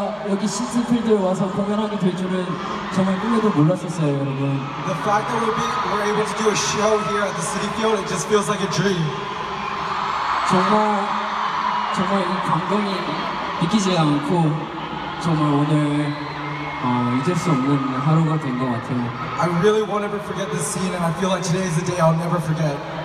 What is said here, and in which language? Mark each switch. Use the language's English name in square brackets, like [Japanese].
[Korean] 여기 시티필드에 와서 공연하게 될 줄은 정말 꿈에도 몰랐었어요, 여러분. [English] The fact that we're able to do a show here at the Cityfield, it just feels like a dream. [Korean] 정말 정말 이 감동이 믿기지 않고 정말 오늘 잊을 수 없는 하루가 된 것 같아요. [English] I really won't ever forget this scene, and I feel like today is the day I'll never forget.